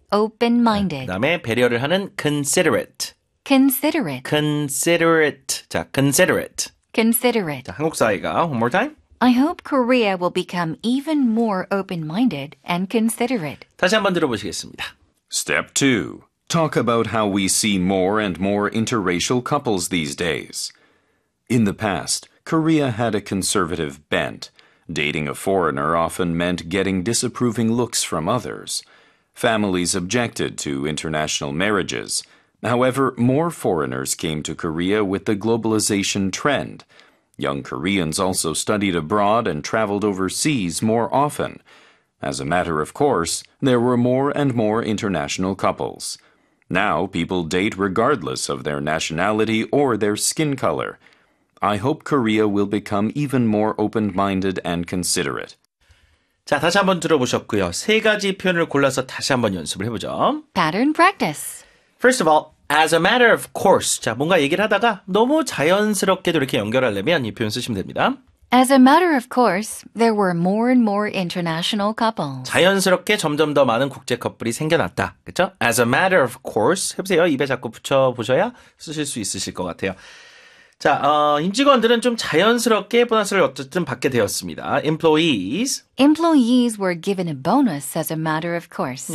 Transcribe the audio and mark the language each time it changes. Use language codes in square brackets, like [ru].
[en] Open-minded. [ko] 그 다음에 배려를 하는 considerate. [en] Considerate. Considerate. 자, considerate. Considerate. [ko] 자, 한국 사회가 one more time. [en] I hope Korea will become even more open-minded and considerate. [ko] 다시 한번 들어보시겠습니다. [en] Step 2. Talk about how we see more and more interracial couples these days. In the past, Korea had a conservative bent. Dating a foreigner often meant getting disapproving looks from others. Families objected to international marriages. However, more foreigners came to Korea with the globalization trend. Young Koreans also studied abroad and traveled overseas more often. As a matter of course, there were more and more international couples. Now people date regardless of their nationality or their skin color. I hope Korea will become even more open-minded and considerate. [ko] 자, 다시 한번 들어보셨고요. 세 가지 표현을 골라서 다시 한번 연습을 해보죠. [en] Pattern practice. First of all, as a matter of course. [ko] 자, 뭔가 얘기를 하다가 너무 자연스럽게도 이렇게 연결하려면 이 표현 쓰시면 됩니다. [en] As a matter of course, there were more and more international couples. [ko] 자연스럽게 점점 더 많은 국제 커플이 생겨났다. 그렇죠? As a matter of course. 해보세요. 입에 자꾸 붙여보셔야 쓰실 수 있으실 것 같아요. 자, 임직원들은 좀 자연스럽게 보너스를 어쨌든 받게 되었습니다. [en] Employees. Employees were given a bonus as a matter of course.